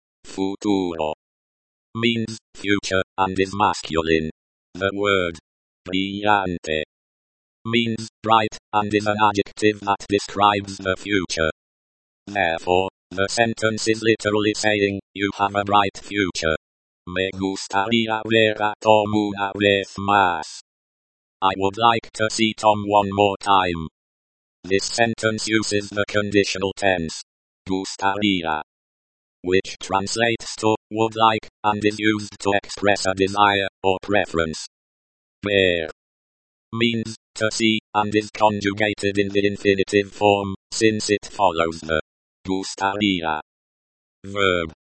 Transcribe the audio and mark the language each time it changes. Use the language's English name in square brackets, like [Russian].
[English] Futuro means future and is masculine. The word brillante means bright and is an adjective that describes the future. Therefore, the sentence is literally saying, you have a bright future. [Spanish] Me gustaría ver a Tom una vez más. [English] I would like to see Tom one more time. This sentence uses the conditional tense, gustaría, which translates to, would like, and is used to express a desire or preference. Ver means to see, and is conjugated in the infinitive form, since it follows the gustaría verb.